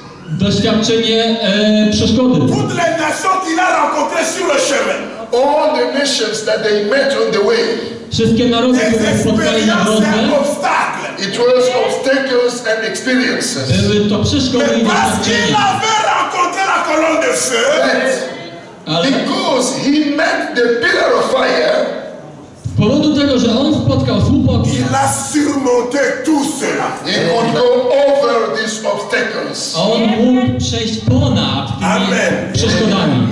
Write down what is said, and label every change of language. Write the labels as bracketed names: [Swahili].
[Polish] doświadczenie przeszkody. [French] Toutes les nations qu'il a rencontrées sur le chemin. [English] All the nations that they met on the way. [Polish] Wszystkie narody, które spotkali na drodze. [English] It was obstacles and experiences. [Polish] Były to przeszkody i doświadczenia. [French] Parce qu'il avait rencontré la colonne de feu. [English] Because he met the pillar of fire. [Polish] Z powodu tego, że on spotkał słup ognia. [French] Il a surmonté tout cela. [English] He could go over these obstacles. [Polish] On mógł przejść ponad tymi przeszkodami.